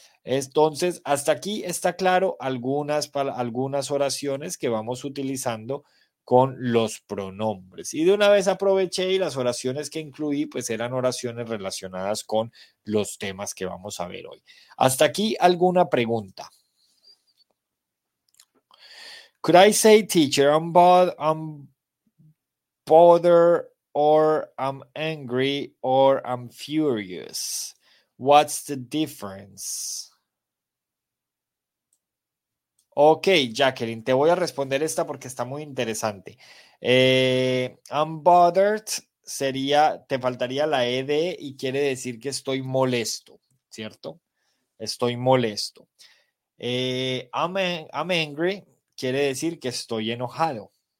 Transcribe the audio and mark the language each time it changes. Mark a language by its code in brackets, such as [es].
[es] Entonces, hasta aquí está claro algunas oraciones que vamos utilizando con los pronombres. Y de una vez aproveché y las oraciones que incluí, pues eran oraciones relacionadas con los temas que vamos a ver hoy. Hasta aquí alguna pregunta. [en] Could I say, teacher, I'm bothered or I'm angry or I'm furious? What's the difference? [es] Ok, Jacqueline, te voy a responder esta porque está muy interesante. [en] I'm bothered [es] sería, te faltaría la ED y quiere decir que estoy molesto, ¿cierto? Estoy molesto. [en] I'm angry [es] quiere decir que estoy enojado.